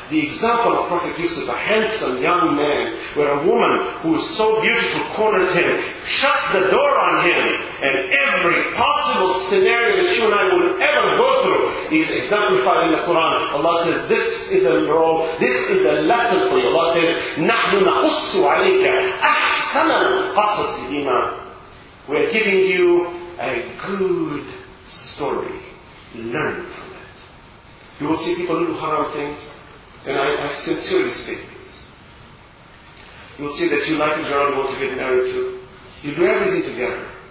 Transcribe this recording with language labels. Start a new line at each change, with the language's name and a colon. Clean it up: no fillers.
English: The example of Prophet Yusuf, a handsome young man, where a woman who is so beautiful corners him, shuts the door on him, and every possible scenario that you and I would ever go through is exemplified in the Quran. Allah says, this is a role, this is a lesson for you. Allah says,
Arabic: نَحْنُ نَقُصُّ عَلَيْكَ أَحْسَنَ الْقَصَصِ لِمَا.
English: We're giving you a good story. Learn from it. You will see people do haram things, and I sincerely state this. You will see that you like a girl you want to get married to. You do everything together.